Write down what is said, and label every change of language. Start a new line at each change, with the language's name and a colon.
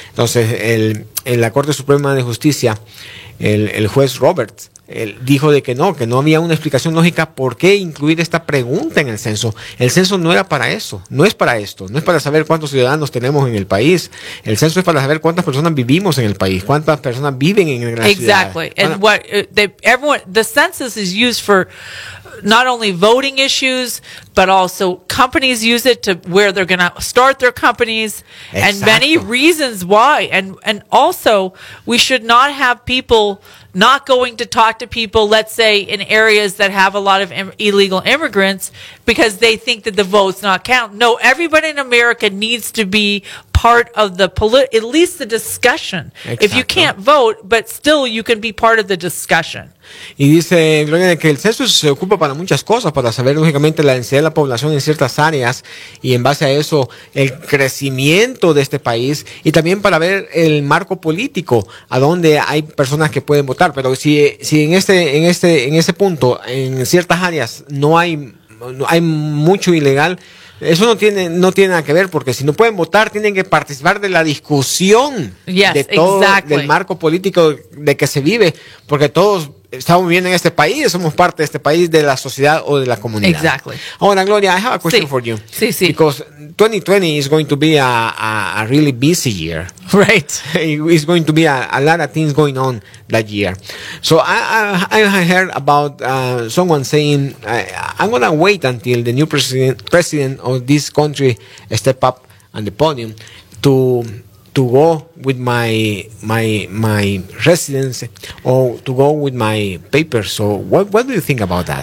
Spanish: Entonces, en la Corte Suprema de Justicia, el juez Roberts, él dijo de que no había una explicación lógica por qué incluir esta pregunta en el censo. El censo no era para eso, no es para esto, no es para saber cuántos ciudadanos tenemos en el país. El censo es para saber cuántas personas vivimos en el país, cuántas personas viven en la ciudad.
English: Exactly. And what the census is used for, not only voting issues, but also companies use it to where they're going to start their companies.
Spanish: Exacto.
English: And many reasons why. And also, we should not have people not going to talk to people, let's say, in areas that have a lot of illegal immigrants because they think that the votes not count. No, everybody in America needs to be part of the at least the discussion.
Spanish: Exacto.
English: If you can't vote, but still you can be part of the discussion.
Spanish: Y dice Gloria que el censo se ocupa para muchas cosas, para saber lógicamente la densidad de la población en ciertas áreas y en base a eso el crecimiento de este país, y también para ver el marco político a donde hay personas que pueden votar. Pero si en ese punto, en ciertas áreas no hay mucho ilegal, eso no tiene nada que ver, porque si no pueden votar, tienen que participar de la discusión.
English: Yes,
Spanish: de todo,
English: exactly.
Spanish: Del marco político de que se vive, porque todos estamos viviendo en este país, somos parte de este país, de la sociedad o de la comunidad.
English: Exactly.
Spanish: Ahora,
English: Gloria, I have a question for you.
Spanish: Sí, sí.
English: Because 2020 is going to be a really busy year. Right. It's going to be a lot of things going on that year. So I heard about someone saying, I'm going to wait until the new president of this country step up on the podium to go with my residence or to go with my papers. So what do you think about that?